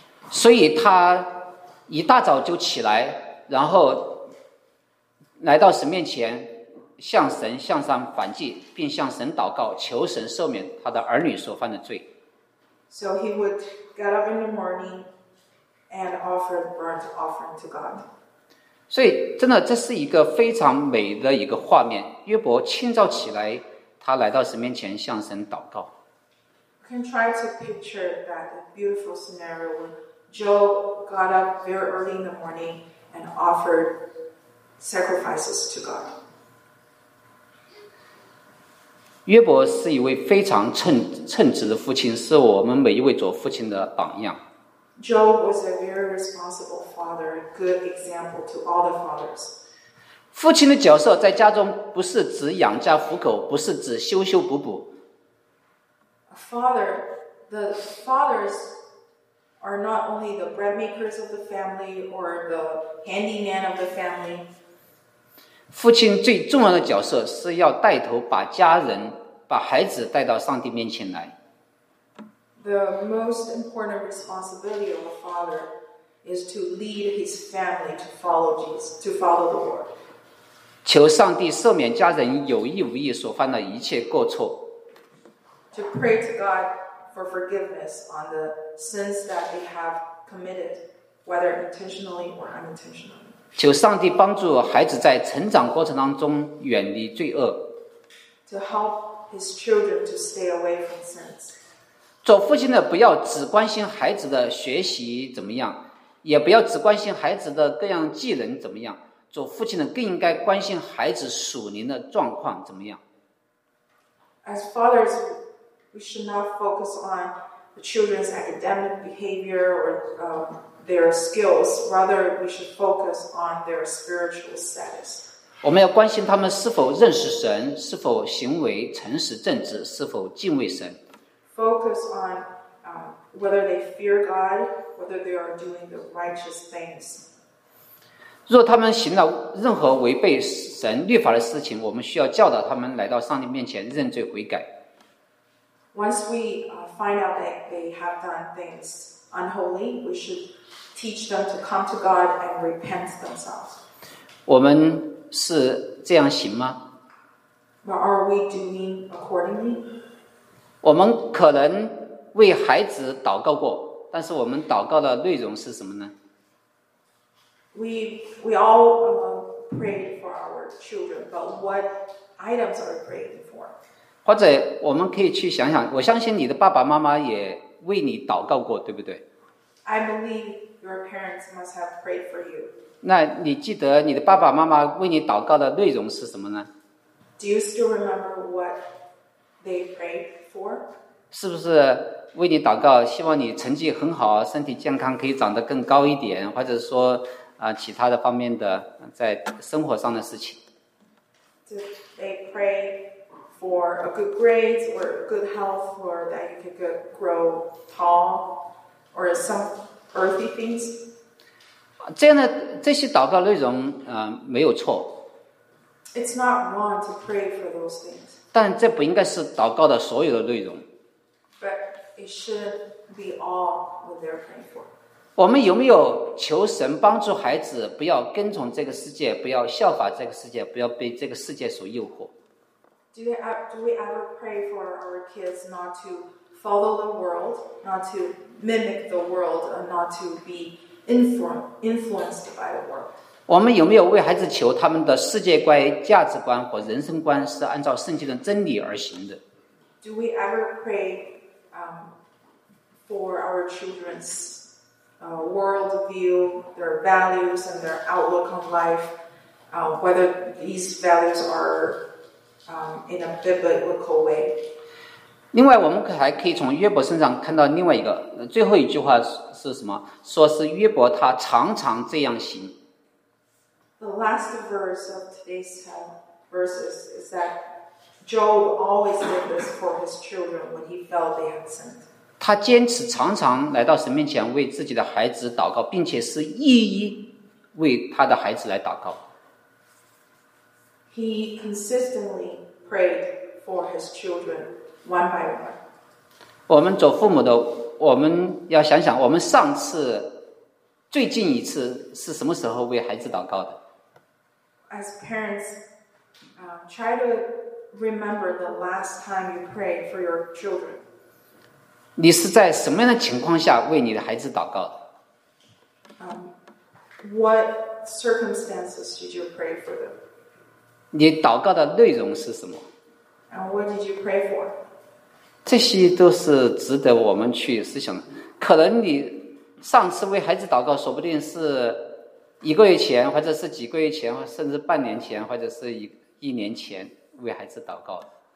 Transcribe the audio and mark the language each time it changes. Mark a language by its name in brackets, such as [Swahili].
[Chinese] 所以他一大早就起来，然后来到神面前，向神向上燔祭，并向神祷告，求神赦免他的儿女所犯的罪。 [English] So he would get up in the morning and offer burnt offering to God. [Chinese] 所以真的这是一个非常美的一个画面，约伯清早起来他来到神面前向神祷告。 [English] You can try to picture that beautiful scenario when Job got up very early in the morning and offered sacrifices to God. [Chinese] 约伯是一位非常 称职的父亲，是我们每一位做父亲的榜样。 [English] Job was a very responsible father, a good example to all the fathers. [Chinese] 父亲的角色在家中不是只养家糊口，不是只修修补补。 [English] Father, the fathers are not only the bread makers of the family or the handyman of the family. [Chinese] 父亲最重要的角色是要带头把家人、把孩子带到上帝面前来。 [English] The most important responsibility of a father is to lead his family to follow Jesus, to follow the Lord. [Chinese] 求上帝赦免家人有意无意所犯的一切过错。 [English] To pray to God for forgiveness on the sins that they have committed, whether intentionally or unintentionally. [Chinese] 求上帝帮助孩子在成长过程当中远离罪恶。 [English] To help his children to stay away from sins. [Chinese] 做父亲的不要只关心孩子的学习怎么样，也不要只关心孩子的各样技能怎么样，做父亲的更应该关心孩子属灵的状况怎么样。 [English] As fathers,We should not focus on the children's academic behavior or their skills. Rather, we should focus on their spiritual status. [Chinese] 我们要关心他们是否认识神，是否行为诚实正直，是否敬畏神。 [English] Focus on whether they fear God, whether they are doing the righteous things. [Chinese] 若他们行了任何违背神律法的事情，我们需要教导他们来到上帝面前认罪悔改。 [English] Once we find out that they have done things unholy, we should teach them to come to God and repent themselves. [Chinese] 我们是这样行吗？ [English] But are we doing accordingly? [Chinese] 我们可能为孩子祷告过，但是我们祷告的内容是什么呢？ [English] We all prayed for our children, but what items are we praying for? [Chinese] 或者我们可以去想想，我相信你的爸爸妈妈也为你祷告过，对不对？ [English] I believe your parents must have prayed for you. [Chinese] 那你记得你的爸爸妈妈为你祷告的内容是什么呢？ [English] Do you still remember what they prayed for? [Chinese] 是不是为你祷告，希望你成绩很好，身体健康，可以长得更高一点，或者说其他的方面的在生活上的事情。 [English] Do they pray? For a good grades, or good health, or that you could grow tall, or some earthly things. [Chinese] 这样的这些祷告内容，没有错。 [English] It's not wrong to pray for those things. [Chinese] 但这不应该是祷告的所有的内容。 [English] But it should be all what they're praying for. [Chinese] 我们有没有求神帮助孩子不要跟从这个世界，不要效法这个世界，不要被这个世界所诱惑？ [English] Do we ever pray for our kids not to follow the world, not to mimic the world, and not to be influenced by the world? [Chinese] 我们有没有为孩子求他们的世界观、价值观和人生观是按照圣经的真理而行的？ [English] Do we ever pray for our children's world view, their values, and their outlook on life, whether these values are in a biblical way. [Chinese] 另外我们还可以从约伯身上看到另外一个最后一句话是什么，说是约伯他常常这样行。 [English] The last verse of today's verses is that Job always did this for his children when he felt they had sinned. [Chinese] 他坚持常常来到神面前为自己的孩子祷告，并且是一一为他的孩子来祷告。 [English] He consistently prayed for his children one by one. [Chinese] 我们做父母的，我们要想想，我们上次、最近一次是什么时候为孩子祷告的 [English] ？As parents, try to remember the last time you prayed for your children. [Chinese] 你是在什么样的情况下为你的孩子祷告的 [English] ？What circumstances did you pray for them? [Chinese] 你祷告的内容是什么？ [English] And what did you pray for? [Chinese] 这些都是值得我们去思想的。可能你上次为孩子祷告，说不定是一个月前，或者是几个月前，甚至半年前，或者是 一年前为孩子祷告的。